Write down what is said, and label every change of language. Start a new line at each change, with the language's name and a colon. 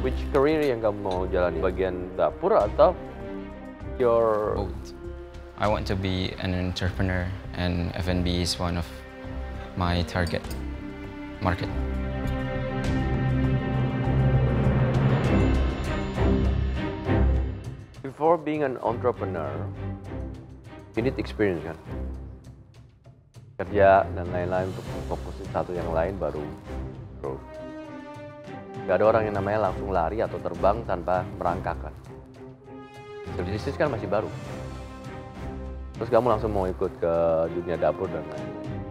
Indonesian: career yang kamu mau jalan di bagian dapur atau your
English: both? I want to be an entrepreneur and F&B is one of my target market. Before being an entrepreneur, you need experience kan?
Indonesian: Kerja dan lain-lain untuk fokusin satu yang lain baru grow. Gak ada orang yang namanya langsung lari atau terbang tanpa merangkakan. Bisnis kan masih baru. Terus kamu langsung mau ikut ke dunia dapur dan lain-lain.